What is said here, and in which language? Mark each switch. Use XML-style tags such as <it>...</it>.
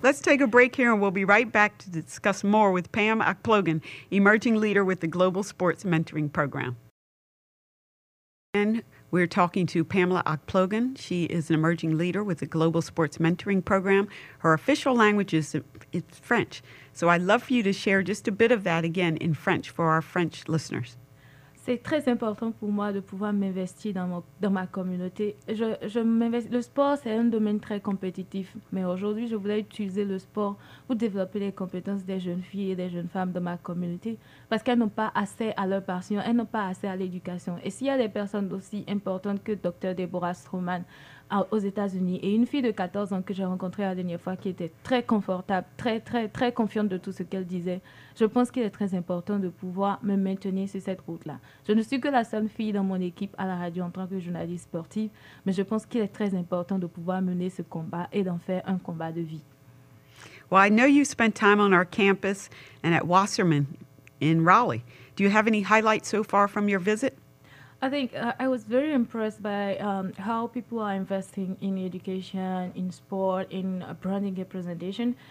<en>Let's take a break here, and we'll be right back to discuss more with Pam Akplogan, emerging leader with the Global Sports Mentoring Program. And we're talking to Pamela Akplogan. She is an emerging leader with the Global Sports Mentoring Program. Her official language is French. So I'd love for you to share just a bit of that again in French for our French listeners.</en> <fr>C'est très important pour moi de pouvoir m'investir dans ma communauté. Je m'investis. Le sport, c'est un domaine très compétitif. Mais aujourd'hui, je voulais utiliser le sport pour développer les compétences des jeunes filles et des jeunes femmes de ma communauté, parce qu'elles n'ont pas accès à leur passion, elles n'ont pas accès à l'éducation. Et s'il y a des personnes aussi importantes que Dr. Deborah Strowman aux États-Unis et une fille de 14 ans que j'ai rencontrée la dernière fois qui était très confortable, très, très, très confiante de tout ce qu'elle disait, je pense qu'il est très important de pouvoir me maintenir sur cette route-là. Je ne suis que la seule fille dans mon équipe à la radio en tant que journaliste sportive, mais je pense qu'il est très important de pouvoir mener ce combat et d'en faire un combat de vie.</fr> <en>Well, I know you spent time on our campus and at Wasserman in Raleigh. Do you have any highlights so far from your visit? I think I was very impressed by how people are investing in education, in sport, in branding representation.</en>